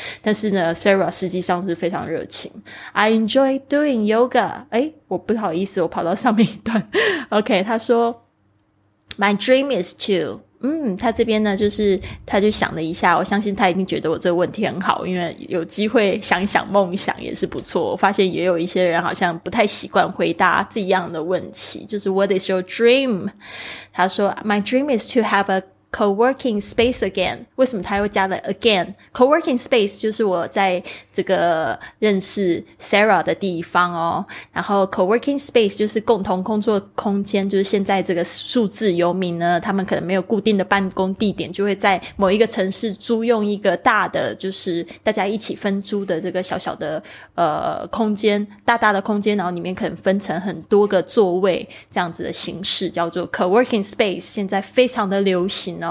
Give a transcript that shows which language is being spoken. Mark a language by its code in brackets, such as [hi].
[zh] 但是呢 Sarah 实际上是非常热情。 [en] I enjoy doing yoga， [zh] 诶我不好意思我跑到上面一段OK 他说 [en] My dream is to， [zh] 他这边呢就是他就想了一下，我相信他一定觉得我这个问题很好，因为有机会想想梦想也是不错。我发现也有一些人好像不太习惯回答这样的问题，就是 [en] What is your dream？ [zh] 他说 [en] My dream is to have aco-working space again。 [zh] 为什么他又加了 again？ co-working space 就是我在这个认识 Sarah 的地方哦，然后 co-working space 就是共同工作空间，就是现在这个数字游民呢他们可能没有固定的办公地点，就会在某一个城市租用一个大的就是大家一起分租的这个小小的空间，大大的空间，然后里面可能分成很多个座位，这样子的形式叫做 co-working space， 现在非常的流行。